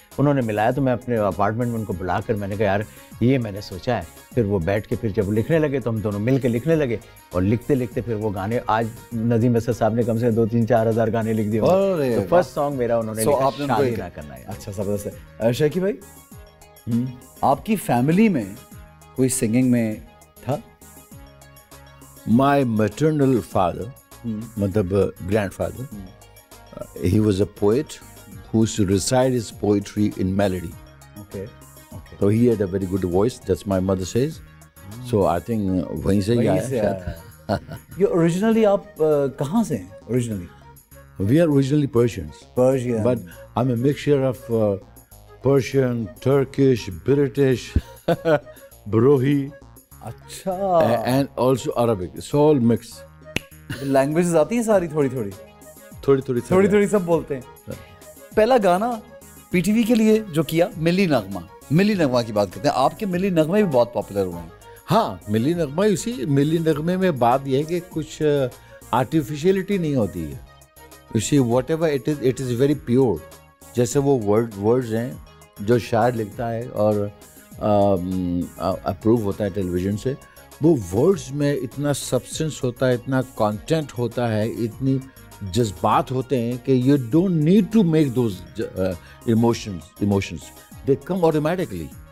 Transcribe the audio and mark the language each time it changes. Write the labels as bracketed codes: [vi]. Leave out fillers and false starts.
[hi] उन्होंने मिलाया तो मैं अपने अपार्टमेंट में उनको बुलाकर मैंने कहा यार ये मैंने सोचा है, फिर वो बैठ के फिर जब लिखने लगे तो हम दोनों मिल के लिखने लगे, और लिखते लिखते फिर वो गाने आज नदीम असद साहब ने कम से 2-3-4 हज़ार गाने लिख दिए। फर्स्ट सॉन्ग मेरा उन्होंने लिखा शादी ना करना। अच्छा, जबरदस्त है। शेखी भाई, आपकी फैमिली में कोई सिंगिंग में था? [en] My maternal father, [hi] मतलब [en] grandfather, he was a poet who used to recite his poetry in melody. Okay. So he had a very good voice, that's my mother says. So I think [hi] वहीं से आया शायद। [en] You originally [hi] आप कहाँ से हैं? [en] Originally? We are originally Persians. Persian. But I'm a mixture of Persian, Turkish, British, Brohi. [hi] अच्छा, [en] And also Arabic, it's all mix. [hi] Languages आती हैं सारी थोड़ी थोड़ी थोड़ी थोड़ी थोड़ी थोड़ी सब बोलते हैं। पहला गाना पीटीवी के लिए जो किया, मिली नगमा, मिली नगमा की बात करते हैं, आपके मिली नगमे भी बहुत पॉपुलर हुए हैं। हाँ, मिली नगमा, इसी मिली नगमे में बात यह है कि कुछ आर्टिफिशियलिटी नहीं होती है, इसी [en] whatever it is very pure, [hi] जैसे वो वर्ड्स हैं जो शायर लिखता है और अप्रूव होता है टेलीविजन से, वो वर्ड्स में इतना सब्सटेंस होता है, इतना कंटेंट होता है, इतनी जज्बात होते हैं कि [en] You don't need to make those emotions, they come automatically.